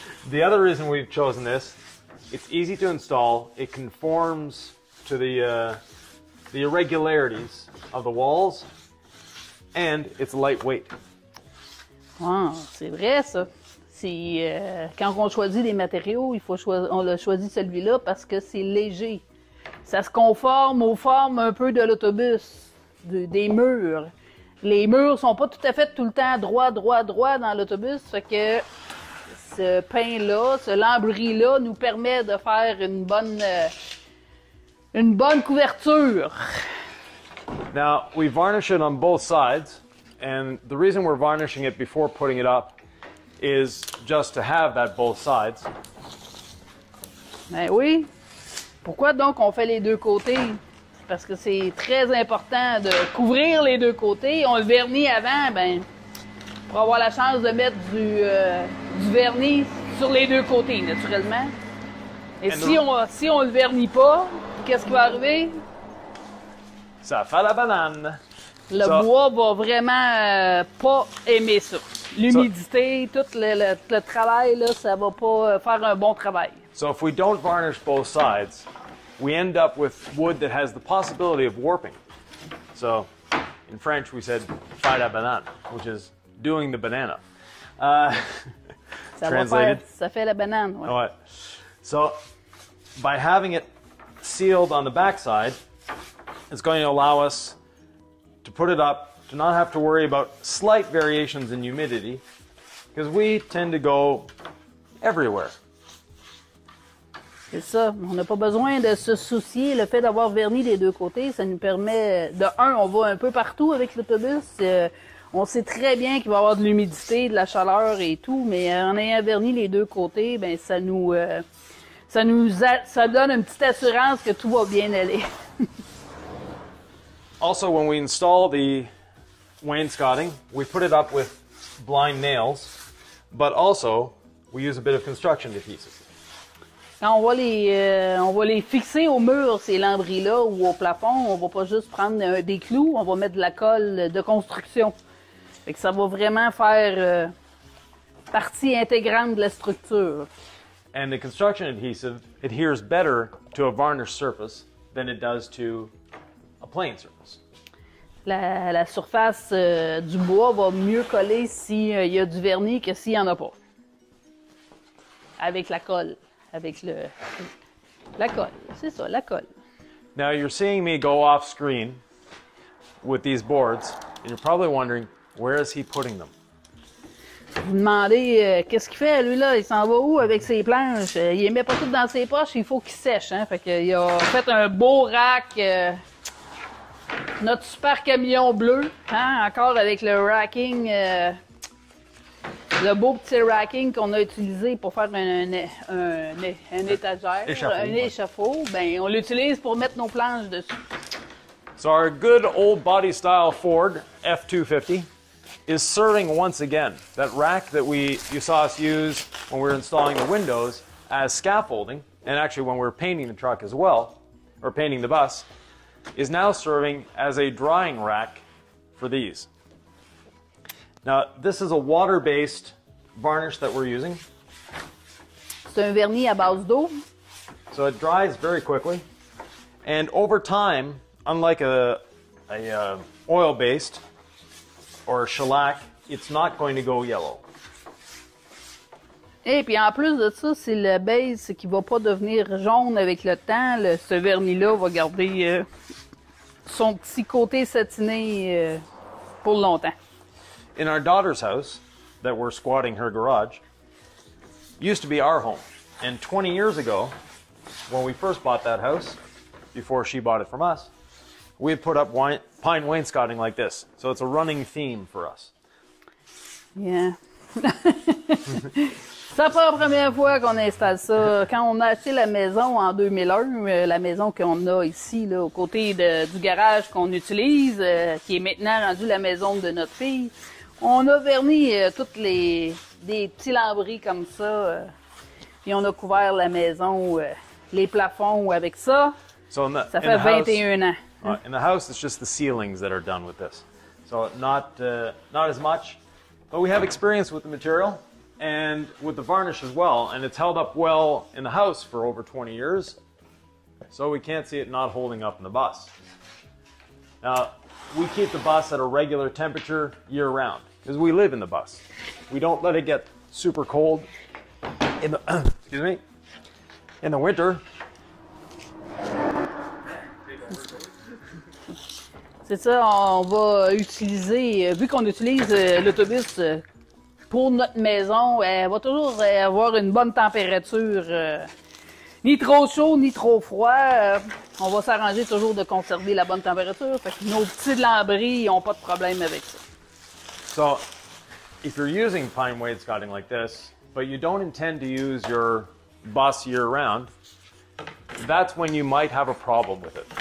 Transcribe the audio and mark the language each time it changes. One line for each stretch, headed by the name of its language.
English: The other reason we've chosen this, it's easy to install. It conforms to the irregularities of the walls and it's lightweight.
French: Wow, c'est vrai ça. C'est, quand on choisit des matériaux, on a choisi celui-là parce que c'est léger. Ça se conforme aux formes un peu de l'autobus, des murs. Les murs sont pas tout à fait tout le temps droit dans l'autobus, fait que ce pain-là, ce lambris-là nous permet de faire une bonne couverture.
English: Now, we varnish it on both sides. And the reason we're varnishing it before putting it up is just to have that both sides.
French: Ben oui. Pourquoi donc on fait les deux côtés? Parce que c'est très important de couvrir les deux côtés. On le vernit avant, ben, pour avoir la chance de mettre du vernis sur les deux côtés, naturellement. Et si on le vernit pas, qu'est-ce qui va arriver? Ça fait la banane. Le bois va vraiment pas aimer ça. L'humidité, tout le travail, là, ça va pas faire un bon travail.
English: So if we don't varnish both sides, we end up with wood that has the possibility of warping. So in French, we said
French: faire la banane,
English: which is doing the banana.
French: Ça
English: translated.
French: Va faire, ça fait la banane, ouais. Ouais.
English: So by having it sealed on the backside, it's going to allow us to put it up, to not have to worry about slight variations in humidity, because we tend to go everywhere.
French: C'est ça. On n'a pas besoin de se soucier. Le fait d'avoir verni les deux côtés, ça nous permet, de un, on va un peu partout avec l'autobus. On sait très bien qu'il va y avoir de l'humidité, de la chaleur et tout, mais en ayant verni les deux côtés, ben ça nous, ça donne une petite assurance que tout va bien aller.
English: Also, when we install the wainscoting, we put it up with blind nails, but also we use a bit of construction adhesive.
French: Quand on va les fixer au mur, ces lambris-là, ou au plafond, on va pas juste prendre des clous, on va mettre de la colle de construction. Fait que ça va vraiment faire partie intégrante de la structure.
English: And the construction adhesive adheres better to a varnished surface than it does to a plain surface.
French: La surface du bois va mieux coller s'il y a du vernis que s'il n'y en a pas. Avec la colle. Avec la colle. C'est ça, la colle.
English: Now you're seeing me go off screen with these boards, and you're probably wondering, where is he putting them?
French: Vous demandez, qu'est-ce qu'il fait, lui-là? Il s'en va où avec ses planches? Il les met pas toutes dans ses poches, il faut qu'il sèche, hein? Fait qu'il a fait un beau rack. Notre super camion bleu, hein, encore avec le racking, le beau petit racking qu'on a utilisé pour faire un étagère, échafaud, un échafaud, ben on l'utilise pour mettre nos planches dessus.
English: So our good old body style Ford F-250 is serving once again that rack that you saw us use when we were installing the windows as scaffolding, and actually when we were painting the truck as well, or painting the bus, is now serving as a drying rack for these. Now, this is a water-based varnish that we're using.
French: C'est un vernis à base d'eau.
English: So it dries very quickly. And over time, unlike a oil-based or a shellac, it's not going to go yellow.
French: Et puis en plus de ça, c'est le base qui va pas devenir jaune avec le temps. Ce vernis-là va garder son petit côté satiné pour longtemps.
English: In our daughter's house, that we're squatting her garage, used to be our home. And 20 years ago, when we first bought that house, before she bought it from us, we had put up pine wainscoting like this. So it's a running theme for us. Yeah.
French: C'est pas la première fois qu'on installe ça. Quand on a acheté la maison en 2001, la maison qu'on a ici, là, au côté du garage qu'on utilise, qui est maintenant rendue la maison de notre fille, on a verni toutes les des petits lambris comme ça. Puis on a couvert la maison, les plafonds avec ça.
English: So in the,
French: ça fait
English: in the
French: 21
English: house,
French: ans.
English: In the house, it's just the ceilings that are done with this. So not as much. But we have experience with the material. And with the varnish as well, and it's held up well in the house for over 20 years, so we can't see it not holding up in the bus. Now, we keep the bus at a regular temperature year round, because we live in the bus. We don't let it get super cold in the, excuse me, in the winter.
French: C'est ça, on va utiliser, vu qu'on utilise l'autobus, pour notre maison, elle va toujours avoir une bonne température, ni trop chaud, ni trop froid. On va s'arranger toujours de conserver la bonne température. Fait que nos petits lambris n'ont pas de problème avec ça.
English: So, if you're using pine wainscoting like this, but you don't intend to use your bus year-round, that's when you might have a problem with it.